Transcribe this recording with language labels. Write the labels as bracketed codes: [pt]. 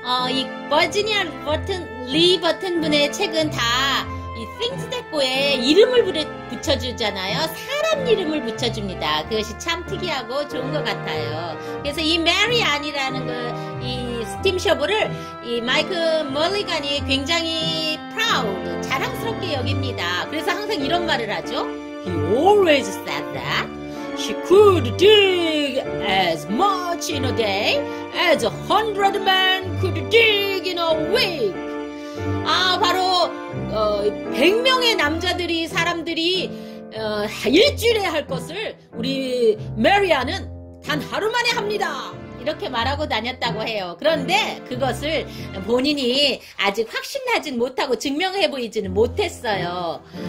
[ko] 이 버지니아 리 버튼 분의 책은 다이 Things That Go에 이름을 붙여주잖아요. 사람 이름을 붙여줍니다. 그것이 참 특이하고 좋은 것 같아요. 그래서 이 메리안이라는 이 스팀 셔블을 이 마이크 멀리간이 굉장히 프라우드, 자랑스럽게 여깁니다. 그래서 항상 이런 말을 하죠. [en] He always said that she could dig as much in a day as 100 men could dig in a week. [ko] 바로 100명의 사람들이 일주일에 할 것을 우리 메리안은 단 하루 만에 합니다. 이렇게 말하고 다녔다고 해요. 그런데 그것을 본인이 아직 확신하진 못하고 증명해 보이지는 못했어요.